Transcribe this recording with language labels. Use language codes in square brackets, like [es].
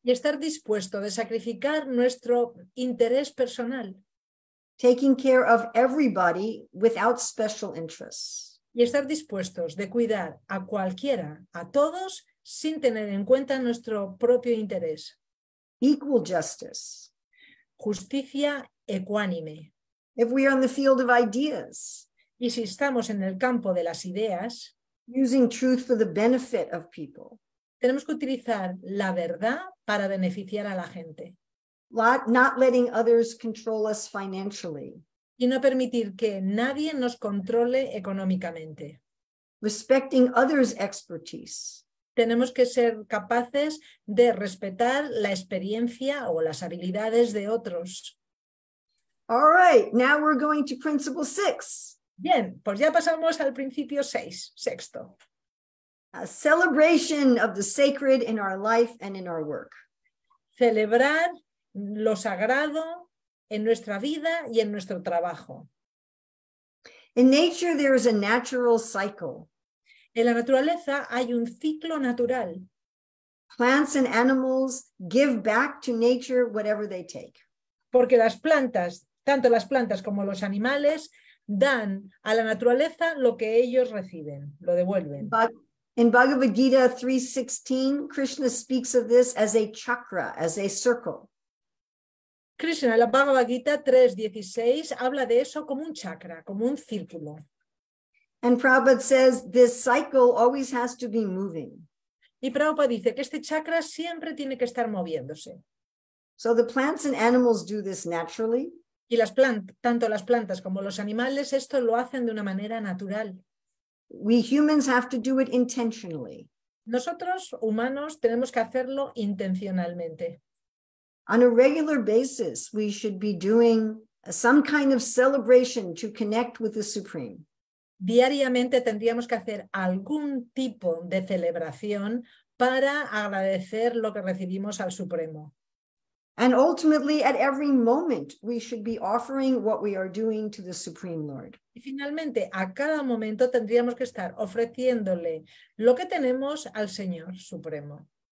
[es] Y estar dispuesto de sacrificar nuestro interés personal. [en] Taking care of everybody without special interests. [es] Y estar dispuestos de cuidar a cualquiera, a todos, sin tener en cuenta nuestro propio interés. [en] Equal justice. [es] Justicia ecuánime. [en] If we are in the field of ideas. [es] Y si estamos en el campo de las ideas. [en] Using truth for the benefit of people. [es] Tenemos que utilizar la verdad para beneficiar a la gente. [en] Not letting others control us financially. [es] Y no permitir que nadie nos controle económicamente. [en] Respecting others' expertise. [es] Tenemos que ser capaces de respetar la experiencia o las habilidades de otros. [en] All right, now we're going to principle 6. [es] Bien, pues ya pasamos al principio 6, sexto. [en] A celebration of the sacred in our life and in our work. [es] Celebrar lo sagrado en nuestra vida y en nuestro trabajo. [en] In nature there is a natural cycle. [es] En la naturaleza hay un ciclo natural. [en] Plants and animals give back to nature whatever they take. [es] Porque las plantas, tanto las plantas como los animales, dan a la naturaleza lo que ellos reciben, lo devuelven. [en] In Bhagavad Gita 3:16, Krishna speaks of this as a chakra, as a circle. [es] Krishna, en la Bhagavad Gita 3:16, habla de eso como un chakra, como un círculo. [en] And Prabhupada says this cycle always has to be moving. [es] Y Prabhupada dice que este chakra siempre tiene que estar moviéndose. [en] So the plants and animals do this naturally. [es] Y tanto las plantas como los animales esto lo hacen de una manera natural. [en] We humans have to do it intentionally. [es] Nosotros, humanos, tenemos que hacerlo intencionalmente. [en] On a regular basis, we should be doing some kind of celebration to connect with the Supreme. [es] Diariamente tendríamos que hacer algún tipo de celebración para agradecer lo que recibimos al Supremo. [en] And ultimately, at every moment, we should be offering what we are doing to the Supreme Lord. [es] Y finalmente, a cada momento tendríamos que estar ofreciéndole lo que tenemos al Señor Supremo.